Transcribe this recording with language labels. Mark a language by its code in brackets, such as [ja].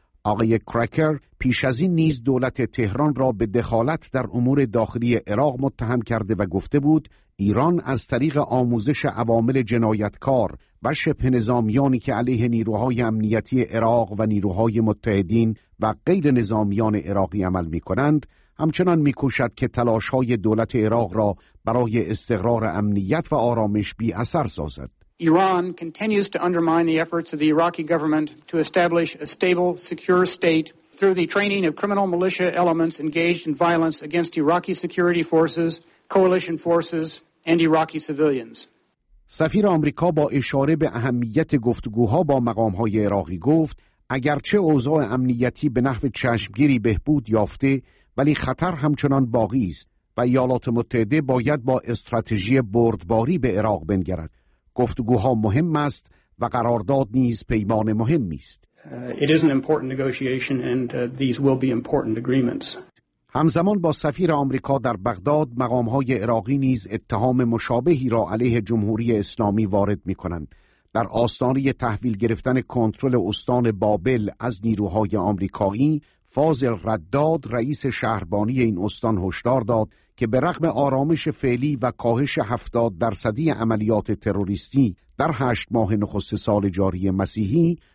[fa] آقای کرکر پیش از این نیز دولت تهران را به دخالت در امور داخلی عراق متهم کرده و گفته بود ایران از طریق آموزش عوامل جنایتکار و شبه نظامیانی که علیه نیروهای امنیتی عراق و نیروهای متحدین و غیر نظامیان عراقی عمل می کنند، همچنان می کوشد که تلاشهای دولت عراق را برای استقرار امنیت و آرامش بی اثر سازد. [en] Iran continues to undermine the efforts of the Iraqi government to establish a stable, secure state through the training of criminal militia elements engaged in violence against Iraqi security forces, coalition forces, and Iraqi civilians. [fa] سفیر آمریکا با اشاره به اهمیت گفتگوها با مقام‌های عراقی گفت اگرچه اوضاع امنیتی به نحو چشمگیری بهبود یافته ولی خطر همچنان باقی است و ایالات متحده باید با استراتژی بردباری به عراق بنگرد. گفتگوها مهم است و قرارداد نیز پیمان مهمی است. [en] It is an important negotiation and these will be important agreements. [fa] همزمان با سفیر آمریکا در بغداد، مقام‌های عراقی نیز اتهام مشابهی را علیه جمهوری اسلامی وارد می‌کنند. در آستانه تحویل گرفتن کنترل استان بابل از نیروهای آمریکایی، فاضل رداد رئیس شهربانی این استان هشدار داد که به رغم آرامش فعلی و کاهش 70% عملیات تروریستی در 8 ماه نخست سال جاری مسیحی،